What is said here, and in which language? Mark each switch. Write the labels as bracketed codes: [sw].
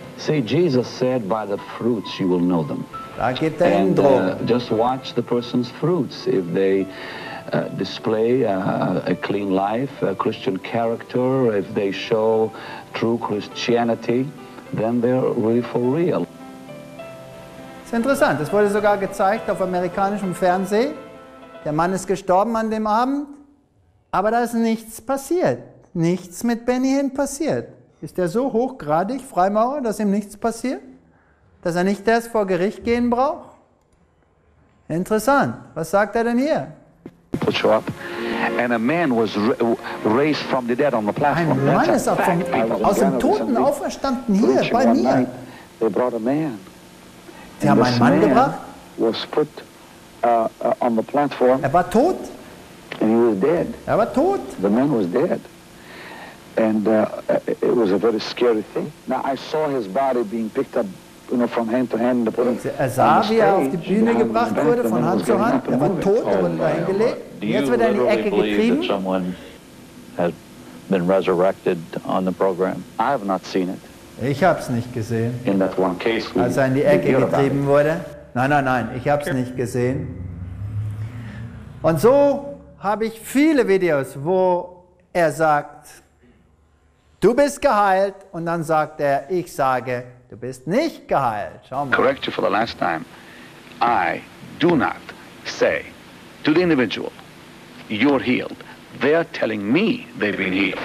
[en] See, Jesus said, by the fruits you will know them. [de] Da geht er in Drogen. [en] Just watch the person's fruits. If they display a clean life, a Christian character, if they show true Christianity, then they're really for real. [de] Es ist interessant, es wurde sogar gezeigt auf amerikanischem Fernsehen. Der Mann ist gestorben an dem Abend, aber da ist nichts passiert. Nichts mit Benny Hinn passiert. Ist er so hochgradig, Freimaurer, dass ihm nichts passiert? Dass er nicht erst vor Gericht gehen braucht? Interessant, was sagt er denn hier? [en] And a man was raised from the dead on the platform. [de] Ein Mann ist auch vom, aus dem Toten auferstanden hier, bei mir. [en] They brought a man. [de] Sie haben einen Mann gebracht. [en] Was put, on the platform. [de] Er war tot. [en] And he was dead. [de] Er war tot. [en] The man was dead. And it was a very scary thing. Now I saw his body being picked up, you know, from hand to hand. [de] Er sah, wie er auf die Bühne gebracht wurde, von Hand zu Hand. Er war tot, er wurde dahin gelegt. Jetzt wird er in die Ecke getrieben. [en] Someone has been resurrected on the program. I have not seen it. [de] Ich habe es nicht gesehen, [en] in that one case, [de] als er in die Ecke getrieben wurde. Nein, ich habe es nicht gesehen. Und so habe ich viele Videos, wo er sagt, du bist geheilt. Und dann sagt er, ich sage, du bist nicht geheilt. Schau mal. [en] Correct you for the last time. I do not say to the individual, you're healed. They're telling me they've been healed.